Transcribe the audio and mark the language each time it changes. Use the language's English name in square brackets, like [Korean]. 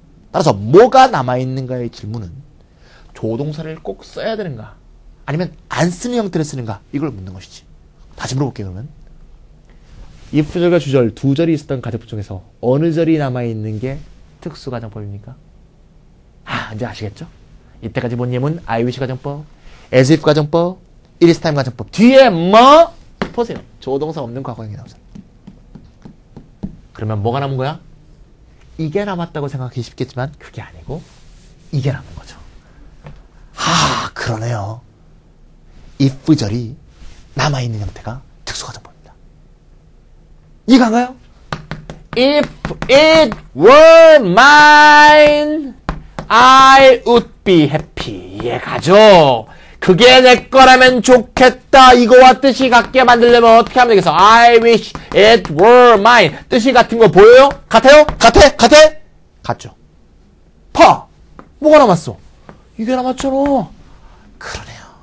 [Korean] 따라서 뭐가 남아있는가의 질문은 조동사를 꼭 써야 되는가 아니면 안 쓰는 형태를 쓰는가 이걸 묻는 것이지. 다시 물어볼게요. 그러면 if절과 주절 두 절이 있었던 가정법 중에서 어느 절이 남아있는 게 특수가정법입니까? 아, 이제 아시겠죠? 이때까지 본 예문, IVC 가정법, as if 가정법, it is time 가정법. 뒤에 뭐? 보세요. 조동사 없는 과거형이 나오죠. 그러면 뭐가 남은 거야? 이게 남았다고 생각하기 쉽겠지만 그게 아니고 이게 남은 거죠. 아, 그러네요. if 절이 남아있는 형태가 특수과정법입니다. 이해가나요? [English] If it were mine, I would be happy. [Korean] 이해가죠? 그게 내 거라면 좋겠다. 이거와 뜻이 같게 만들려면 어떻게 하면 되겠어? [English] I wish it were mine. [Korean] 뜻이 같은 거 보여요? 같아요? 같아? 같아? 같죠. 파! 뭐가 남았어? 이게 남았잖아. 그러네요.